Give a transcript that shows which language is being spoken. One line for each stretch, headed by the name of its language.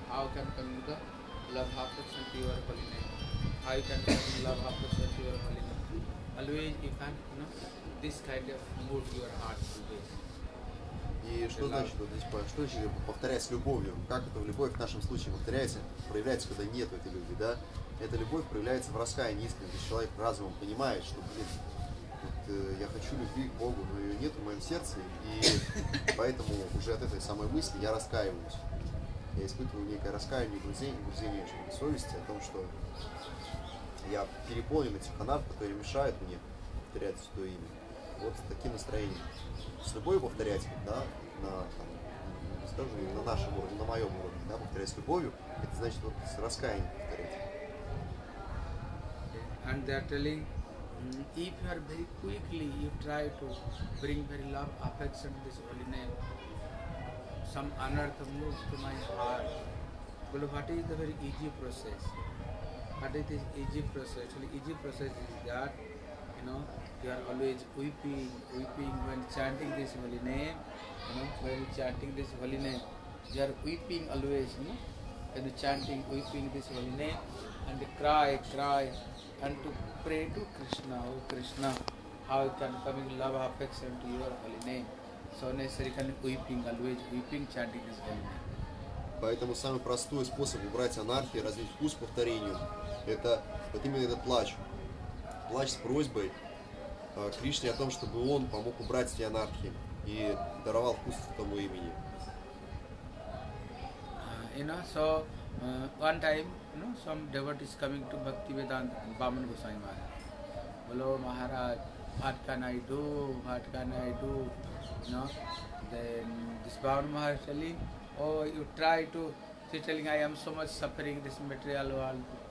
English: How can come the love affection to your holy name? How can come love affection to your holy name? Always you can, you know, this kind of mood your heart will be.
Russian: И что значит, вот здесь, что значит повторять с любовью? Как это в любовь в нашем случае повторяется, проявляется, когда нет этой любви, да? Эта любовь проявляется в раскаянии искренне. Человек разумом понимает, что, блин, вот, я хочу любви к Богу, но ее нет в моем сердце, и поэтому уже от этой самой мысли я раскаиваюсь. Я испытываю некое раскаяние, грузение совести о том, что я переполнен этих канав, которые мешают мне повторять Святое Имя. Вот с таким настроением. С любовью повторять, да, на, там, скажем, на нашем уровне, на моем уровне, да, повторять с любовью, это значит вот с раскаянием повторять.
English: And they are telling, if you are very quickly, you try to bring very love, affection to this holy name, some unearth moves to my heart. Well, what is the very easy process? What is the easy process? Actually, easy process is that, you know, you are always weeping when chanting this holy name, you know, when chanting this holy name, you are weeping always, you know, and chanting, weeping this holy name, and cry, and to pray to Krishna, oh Krishna, how can coming love, affection to your holy name, so necessary can weeping, chanting this holy name.
Russian: Поэтому самый простой способ убрать анархию, развить вкус повторению, это вот именно этот плач с просьбой Кришне о том, чтобы он помог убрать эти анархии и даровал вкус этому имени.
English: You know, so one time, you know, some devotee is coming to Bhakti Vedanta Bhaman Goswami Maharaj. Hello, Maharaj, what can I do? What can I do? You know, then this Bhaman Maharaj telling, oh, you try to, he telling, I am so much suffering this material world.